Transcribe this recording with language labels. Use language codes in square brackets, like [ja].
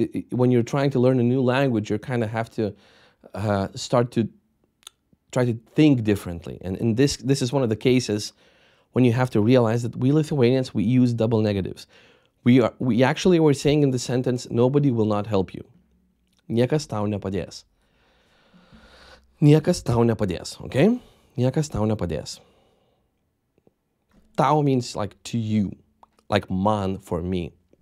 [en] When you're trying to learn a new language, you kind of have to start to try to think differently. And in this is one of the cases when you have to realize that we Lithuanians, we use double negatives. We actually were saying in the sentence, nobody will not help you. [lt] Niekas tau nepadės. Niekas tau nepadės, okay? Niekas tau nepadės. [en] Tau means like to you, like man for me.